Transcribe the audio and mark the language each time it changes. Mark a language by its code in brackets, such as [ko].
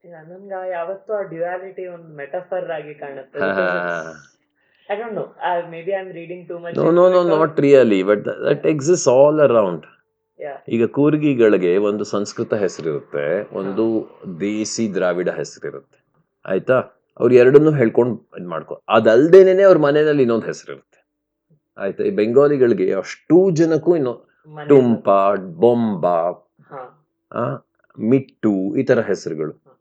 [kn] ನನ್ಗೆ ಯಾವತ್ತೂ ಆ ಡ್ಯುಯಾಲಿಟಿ ಒಂದು ಮೆಟಫರ್ ಆಗಿ ಕಾಣುತ್ತೆ. [en] I don't know. Maybe I'm reading too much. No, not really. But that exists all around. Yeah. [kn] ಈಗ ಕೂರ್ಗಿಗಳಿಗೆ ಒಂದು ಸಂಸ್ಕೃತ ಹೆಸರಿರುತ್ತೆ, ಒಂದು ದೇಸಿ ದ್ರಾವಿಡ ಹೆಸರಿರುತ್ತೆ. ಆಯ್ತಾ, ಅವ್ರು ಎರಡನ್ನೂ ಹೇಳ್ಕೊಂಡು ಇದು ಮಾಡ್ಕೊ. ಅದಲ್ದೇನೆ ಅವ್ರ ಮನೆಯಲ್ಲಿ ಇನ್ನೊಂದು ಹೆಸರಿರುತ್ತೆ. ಆಯ್ತಾ, ಈ ಬೆಂಗಾಲಿಗಳಿಗೆ ಅಷ್ಟೂ ಜನಕ್ಕೂ ಇನ್ನೊ ಟುಂಪ, ಬೊಂಬ, ಮಿಟ್ಟು ಈ ಥರ ಹೆಸರುಗಳು.